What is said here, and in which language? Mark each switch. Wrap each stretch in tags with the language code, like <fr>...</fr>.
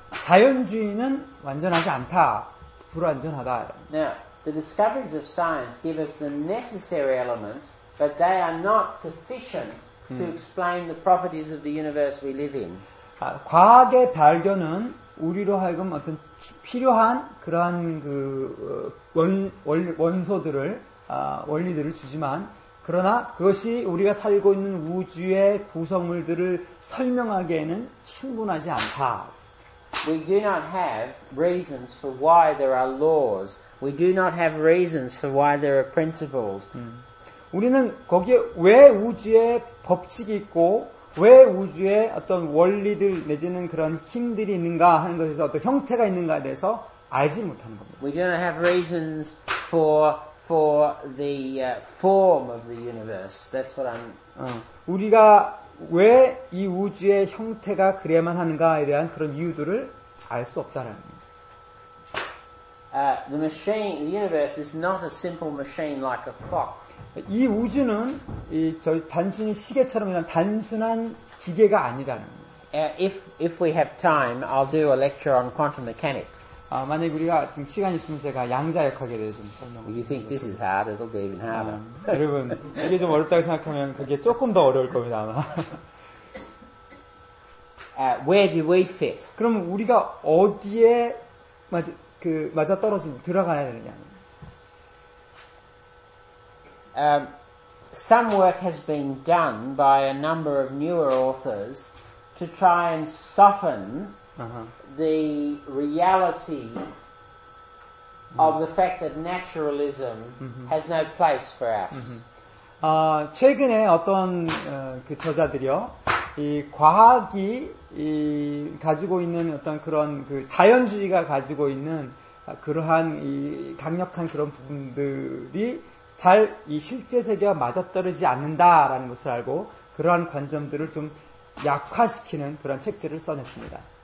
<ko>자연주의는 완전하지 않다, 불완전하다.</ko> <en>Now, the discoveries of science give us the necessary elements, but they are not sufficient to explain the properties of the universe we live in.</en> <ko>아, 과학의 발견은 우리로 하여금 어떤 필요한 그러한 그 원소들을 원리들을 주지만 그러나 그것이 우리가 살고 있는 우주의 구성물들을 설명하기에는 충분하지 않다.</ko> <en>We do not have reasons for why there are laws. We do not have reasons for why there are principles.</en> <ko>우리는 거기에 왜 우주의 법칙이 있고 왜 우주에 어떤 원리들 내지는 그런 힘들이 있는가 하는 것에 대해서 어떤 형태가 있는가에 대해서 알지 못하는 겁니다.</ko> <en>We don't have reasons for the form of the universe. That's what I'm.</en> <ko>우리가 왜 이 우주의 형태가 그래야만 하는가에 대한 그런 이유들을 알 수 없다라는 겁니다.</ko> <en>The universe is not a simple machine like a clock.</en> <ko>이 우주는 단순히 시계처럼이란 단순한 기계가 아니라는 겁니다.</ko> <en>If we have time, I'll do a lecture on quantum mechanics.</en> <ko>아, 만약 우리가 지금 시간 있으면 제가 양자역학에 대해 좀 설명을.</ko> <en>You think this is hard? It'll be even harder.</en> <ko>여러분, 이게 좀 어렵다고 생각하면 그게 조금 더 어려울 겁니다 아마.</ko> <en>Where do we fit?</en> <ko>그럼 우리가 어디에 맞아 떨어진 들어가야 되느냐?</ko> <en>Some work has been done by a number of newer authors to try and soften the reality of the fact that naturalism has no place for us.</en> <ko>최근에 어떤 그 저자들이요, 이 과학이 가지고 있는 어떤 그런 그 자연주의가 가지고 있는 그러한 이 강력한 그런 부분들이 잘 이 실제 세계와 맞아떨어지지 않는다라는 것을 알고 그러한 관점들을 좀 약화시키는 그런 책들을 써냈습니다.</ko>